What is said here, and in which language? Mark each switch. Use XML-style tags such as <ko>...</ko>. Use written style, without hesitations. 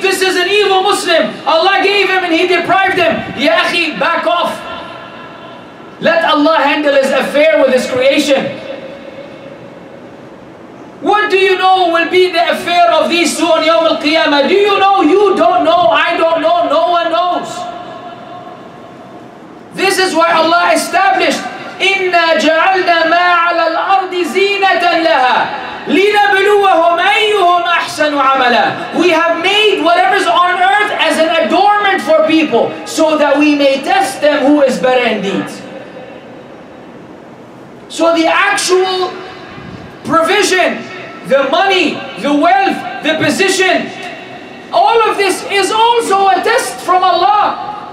<en>This is an evil Muslim. Allah gave him and he deprived him. Ya akhi, back off. Let Allah handle his affair with his creation. What do you know will be the affair of these two on Yawm al-Qiyamah? Do you know? You don't know. I don't know. No one knows. This is why Allah established,</en> <ar>إِنَّا جَعَلْنَا مَا عَلَى الْأَرْضِ زِينَةً لَهَا لِنَبْلُوَهُمْ أَيُّهُمْ أَحْسَنُ عَمَلًا.</ar> <en>We have made whatever's on earth as an adornment for people so that we may test them who is better in deeds. So the actual provision, the money, the wealth, the position, all of this is also a test from Allah.</en>